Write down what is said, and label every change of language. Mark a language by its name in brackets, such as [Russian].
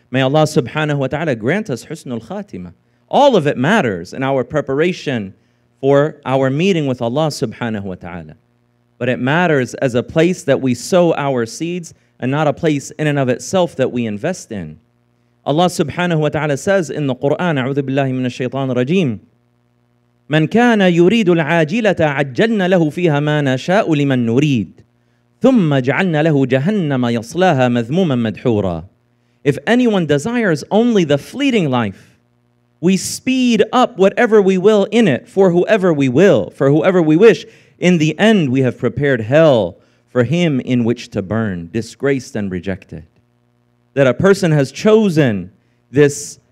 [English] May Allah subhanahu wa ta'ala grant us husnul khatima. All of it matters in our preparation for our meeting with Allah subhanahu wa ta'ala. But it matters as a place that we sow our seeds and not a place in and of itself that we invest in. Allah subhanahu wa ta'ala says in the Qur'an, [Arabic] أعوذ بالله من الشيطان الرجيم, مَنْ كَانَ يُرِيدُ الْعَاجِلَةَ عَجَّلْنَا لَهُ فِيهَا مَا نَشَاءُ لِمَنْ نُرِيدُ ثُمَّ جَعَلْنَا لَهُ جَهَنَّمَ يَصْلَاهَا مَذْمُومًا مَدْحُورًا. [English] If anyone desires only the fleeting life, we speed up whatever we will in it for whoever we will, for whoever we wish. In the end, we have prepared hell for him in which to burn, disgraced and rejected. That a person has chosen this